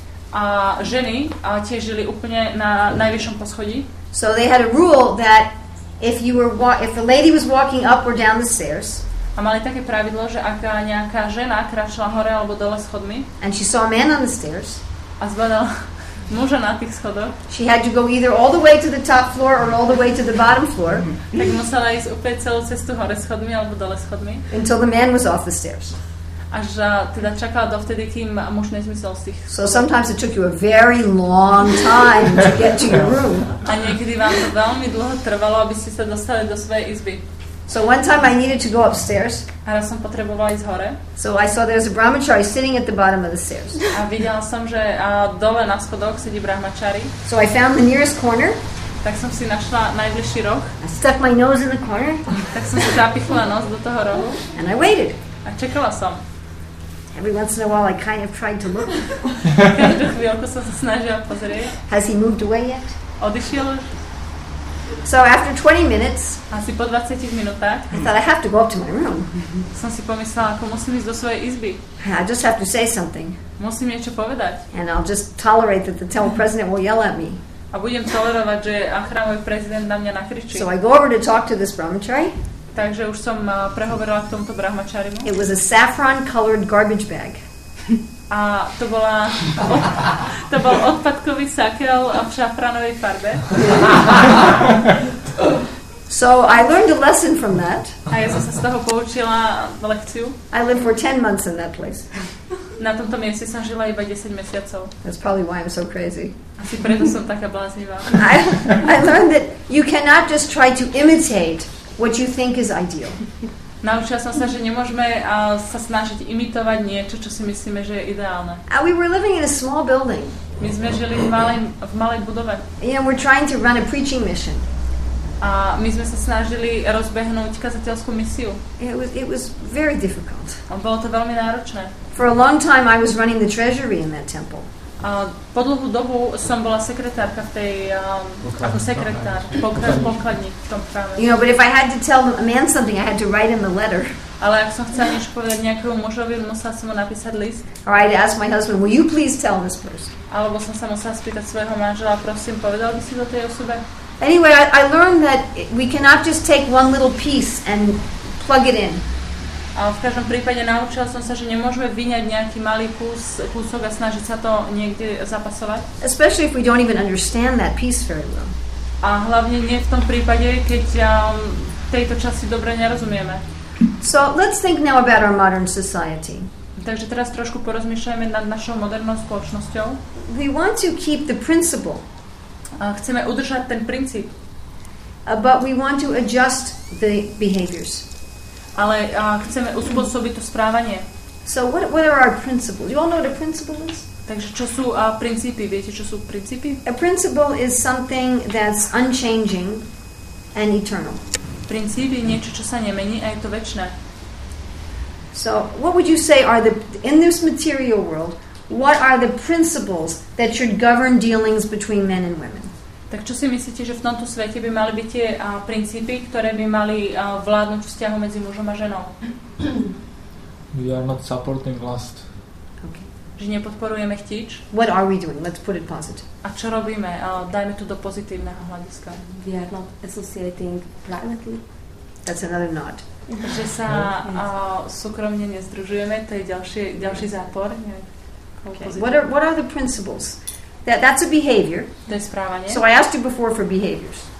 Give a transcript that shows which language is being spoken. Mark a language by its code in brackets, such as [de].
[sk] A ženy tiež žili úplne na najvyššom poschodí. [en] So they had a rule that if a lady was walking up or down the stairs. [sk] A mali také pravidlo, že ak nejaká žena kráčala hore alebo dole schodmi. [en] And she saw a man on the stairs. [sk] A zbadala muža na tých schodoch. [en] She had to go either all the way to the top floor or all the way to the bottom floor. [sk] Tak musela ísť úplne celú cestu hore schodmi alebo dole schodmi. [en] Until the man was off the stairs. [sk] Až teda čakala dovtedy, kým muž nezmysel z tých. [en] So sometimes it took you a very long time to get to your room. [sk] A niekedy vám to veľmi dlho trvalo, aby ste sa dostali do svojej izby. [en] So one time I needed to go upstairs. [sk] A raz som potrebovala ísť hore. [en] So I saw there's a brahmachari sitting at the bottom of the stairs. [sk] A videla som, že dole na schodoch sedí brahmachari. [en] So I found the nearest corner. [sk] Tak som si našla najbližší roh. [en] I stuck my nose in the corner. [sk] Tak som si zapichla nos do toho rohu. [en] And I waited. [sk] A čakala som. [en] Every once in a while I kind of tried to look. [sk] Každú chvíľku som sa snažila pozrieť. [en] Has he moved away yet? [sk] Odišiel. [en] So after 20 minutes, [sk] asi po 20 minútach, [en] I thought I have to go up to my room. [sk] Som si pomyslela, ako musím ísť do svojej izby. [en] I just have to say something. [sk] Musím niečo povedať. [en] And I'll just tolerate that the temple president will yell at me. [sk] A budem tolerovať, že chrámový prezident na mňa nakričí. [en] So I go over to talk to this brahmachari. [sk] Takže už som prehovorila k tomuto brahmačarimu. [en] It was a saffron colored garbage bag. [sk] A to bola to bol odpadkový sakel v šafranovej farbe. [en] So I learned a lesson from that. [sk] A ja som sa z toho poučila lekciu. [en] I lived for 10 months in that place. [sk] Na tomto mieste som žila iba 10 mesiacov. [en] That's probably why I'm so crazy. [sk] Asi preto som taká bláznivá. [en] I learned that you cannot just try to imitate what you think is ideal. [sk] Naučila som sa, že nemôžeme sa snažiť imitovať niečo, čo si myslíme, že je ideálne. [en] And we were living in a small building. [sk] My sme žili v malej budove. [en] And we're trying to run a preaching mission. [sk] A my sme sa snažili rozbehnúť kazateľskú misiu. [en] It was very difficult. [sk] A bolo to veľmi náročné. [en] For a long time I was running the treasury in that temple. [sk] A po dlhú dobu som bola sekretárka v tej ako sekretár pokladní v tom chráme. [en] You know, but if I had to tell a man something, I had to write him a letter. [sk] Ale ak som chcela niečo povedať nejakému mužovi, musela som mu napísať list. [en] Or I'd ask my husband, will you please tell this person? [sk] Alebo som sa musela spýtať svojho manžela, prosím, povedal by si to tej osobe? [en] Anyway, I learned that we cannot just take one little piece and plug it in. [sk] A v každom prípade naučila som sa, že nemôžeme vyňať nejaký malý kúsok a snažiť sa to niekde zapasovať. [en] Especially if we don't even understand that piece very well. [sk] A hlavne nie v tom prípade, keď tejto časti dobre nerozumieme. [en] So let's think now about our modern society. [sk] Takže teraz trošku porozmýšľajme nad našou modernou spoločnosťou. [en] We want to keep the principle. [sk] A chceme udržať ten princíp. [en] But we want to adjust the behaviors. [sk] Ale chceme uspôsobiť to správanie. [en] So what are our principles? You all know what a principle is? [sk] Takže čo sú princípy? Viete, čo sú princípy? [en] A principle is something that's unchanging and eternal. [sk] Princíp je niečo, čo sa nemení a je to večné. [en] So what would you say are the in this material world? What are the principles that should govern dealings between men and women? [sk] Tak čo si myslíte, že v tomto svete by mali byť tie princípy, ktoré by mali vládnuť vzťahu medzi mužom a ženou? [en] We are not supporting lust. Okay. [sk] Že nepodporujeme chtíč? [en] What are we doing? Let's put it positive. [sk] A čo robíme? Dajme to do pozitívneho hľadiska. [en] We are not associating privately. That's another nod. [sk] Že sa súkromne nezdružujeme, to je ďalší zápor. Nie? [en] Okay. What are the principles? That's a behavior. [sk] To je správanie. [en] So I asked you before for behaviors.